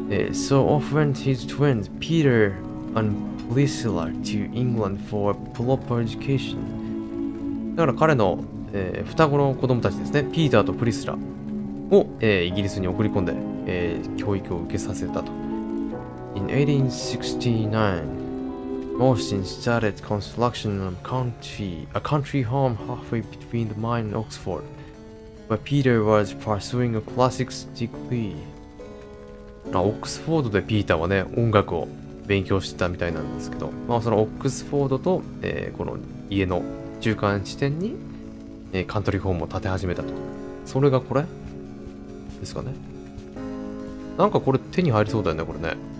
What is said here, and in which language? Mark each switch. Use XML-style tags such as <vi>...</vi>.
<en>So off went his twins, Peter and Priscilla, to England for a proper education.</en> <ja>だから彼の、双子の子供たちですね、ピーターとプリスラを、イギリスに送り込んで、教育を受けさせたと。</ja> <en>In 1869, Morstan started construction of a country home halfway between the mine and Oxford. But Peter was pursuing a classics degree.</en> <ja>オックスフォードでピーターはね、音楽を勉強してたみたいなんですけど、まあ、そのオックスフォードと、この家の中間地点に、カントリーホームを建て始めたと。それがこれですかね。なんかこれ手に入りそうだよね、これね。</ja>